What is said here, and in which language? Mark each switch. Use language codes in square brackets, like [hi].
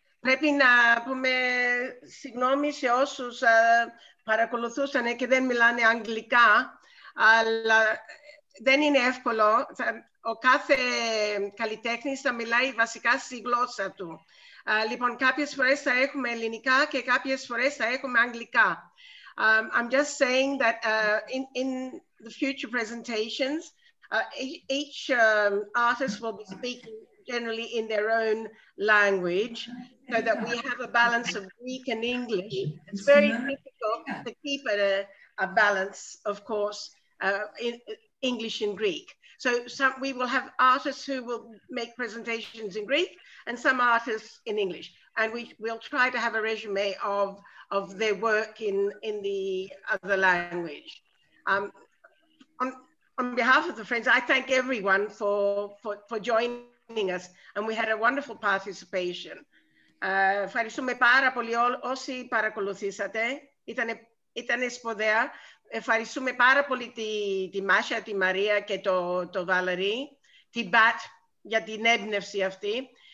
[el] Πρέπει να πούμε συγγνώμη σε όσους παρακολουθούσαν και δεν μιλάνε αγγλικά, αλλά δεν είναι εύκολο. Ο κάθε καλλιτέχνης θα μιλάει βασικά στη γλώσσα του. Λοιπόν, κάποιες φορές θα έχουμε ελληνικά και κάποιες φορές θα έχουμε αγγλικά. [en] I'm just saying that in the future presentations, each artist will be speaking generally in their own language, so that we have a balance of Greek and English. It's very difficult to keep a balance, of course, in English and Greek. So some, we will have artists who will make presentations in Greek and some artists in English. And we will try to have a resume of their work in the other language. On behalf of the friends, I thank everyone for joining us, and we had a wonderful participation. [el] Ευχαριστούμε πάρα πολύ όσοι παρακολουθήσατε. Ήτανε σπουδαία. Ευχαριστούμε πάρα πολύ τη Μάσια, τη Μαρία και το Βαλερί, την Μπατ για την έμπνευση αυτή.